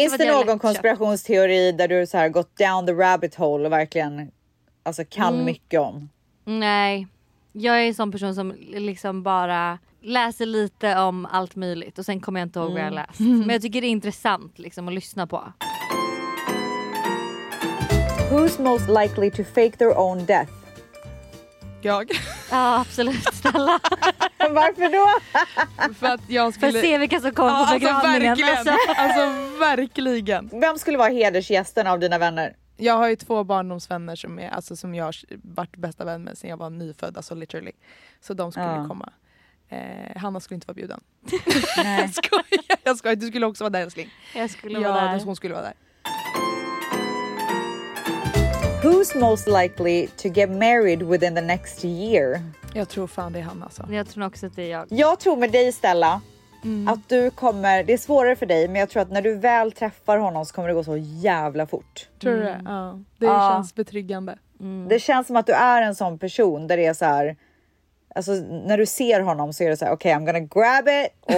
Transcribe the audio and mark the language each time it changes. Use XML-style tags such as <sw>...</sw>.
<sv>finns det någon konspirationsteori där du så här gått</sv> <en>down the rabbit hole</en> <sv>och verkligen alltså kan mycket om? Nej. Jag är en sån person som liksom bara läser lite om allt möjligt och sen kommer jag inte ihåg vad jag läst. Men jag tycker det är intressant liksom att lyssna på.</sv> <en>Who's most likely to fake their own death?</en> <sv>Jag. Ja, absolut, Stella. Varför då? För att jag skulle... För att se vilka som kom på begravningen. Ja, alltså, verkligen. Alltså, verkligen. Vem skulle vara hedersgästen av dina vänner? Jag har ju två barndomsvänner som är, alltså, som jag har varit bästa vän med sen jag var nyfödd, alltså literally. Så de skulle komma. Hanna skulle inte vara bjuden. Nej. Jag skojar. Du skulle också vara där, älskling. Jag skulle vara där. Ja, hon skulle vara där.</sv> <en>Who's most likely to get married within the next year?</en> <sv>Jag tror fan det är Hanna, alltså. Jag tror också att det är jag. Jag tror med dig, Stella, att du kommer... Det är svårare för dig, men jag tror att när du väl träffar honom så kommer det gå så jävla fort. Tror du det? Ja. Det känns betryggande. Mm. Det känns som att du är en sån person där det är så här... Alltså, när du ser honom så är det så här, okej,</sv> <en>okay, I'm gonna grab it.</en>